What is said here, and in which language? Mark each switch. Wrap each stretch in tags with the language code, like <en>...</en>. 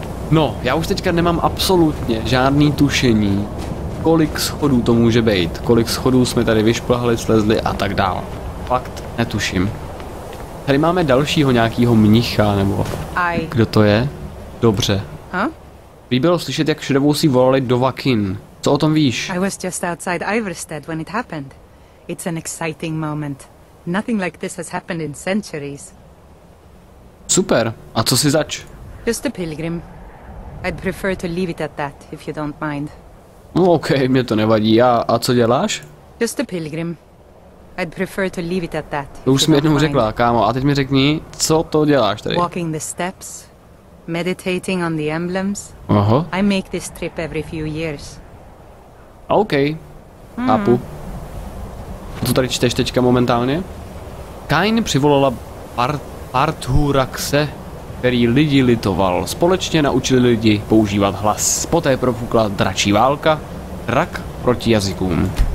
<cs>No, já už teďka nemám absolutně žádný tušení, kolik schodů to může být, kolik schodů jsme tady vyšplhali, slezli a tak dál. Fakt netuším. Tady máme dalšího nějakýho mnicha, nebo kdo to je? Dobře. Líbilo slyšet, jak šedovou si volali Dovahkiin. Co o tom víš?</cs> <en>I was just outside Iverstead when it happened. It's an exciting moment. Nothing like this has happened in centuries.</en> <cs>Super. A co si zač?</cs> <en>Just a pilgrim. I'd prefer to leave it at that, if you don't mind.</en> <cs>No okay, mě to nevadí. A co děláš?</cs> <en>Just a pilgrim. I'd prefer to leave it at that.</en> <cs>To už jsi mi jednou řekla, kámo. A teď mi řekni, co to děláš tady?</cs> <en>Walking the steps, meditating on the emblems.</en> <cs>Aha.</cs> <en>I make this trip every few years.</en> <cs>OK, chápu. Co tady čteš teďka momentálně? Kain přivolala Parthuraxe, který lidi litoval. Společně naučili lidi používat hlas. Poté propukla dračí válka, drak proti jazykům.</cs>